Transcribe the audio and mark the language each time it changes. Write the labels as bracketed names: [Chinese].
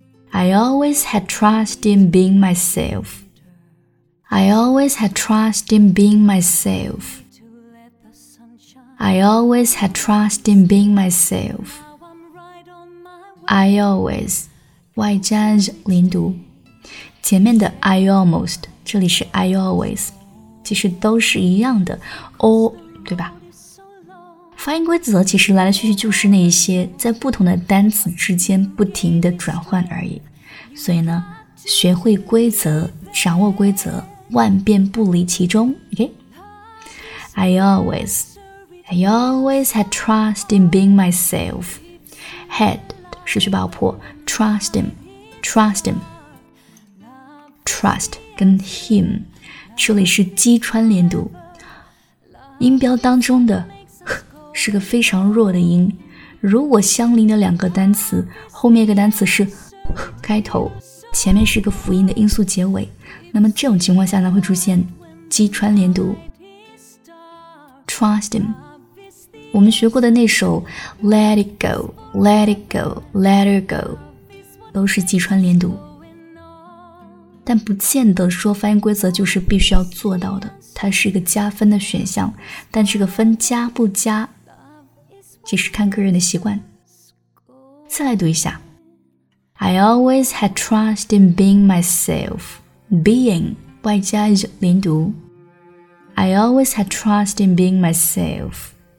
[English] I always had trust in being myself. I always had trust in being myself. I always had trust in being myself. I always. [Chinese] 外加连读。前面的 [English] I almost, [Chinese] 这里是 [English] I always. [Chinese] 其实都是一样的。All, 对吧？发音规则其实来来去去就是那些在不同的单词之间不停的转换而已。所以呢，学会规则，掌握规则。万变不离其中、okay? [English] I always had trust in being myself. Had [Chinese] 失去爆破 [English] Trust him. Trust him. [Chinese] Trust 跟 him 这里是击穿连读，音标当中的是个非常弱的音，如果相邻的两个单词后面一个单词是开头，前面是个辅音的音素结尾，那么这种情况下呢会出现击穿连读 [English] Trust him。 [Chinese] 我们学过的那首 [English] Let it go, let it go, [Chinese] let it go 都是击穿连读，但不见得说发音规则就是必须要做到的，它是一个加分的选项，但这个分加不加其实看个人的习惯。再来读一下， [English] I always had trust in being myself. Being [Chinese] 外加连读， [English] I always had trust in being myself.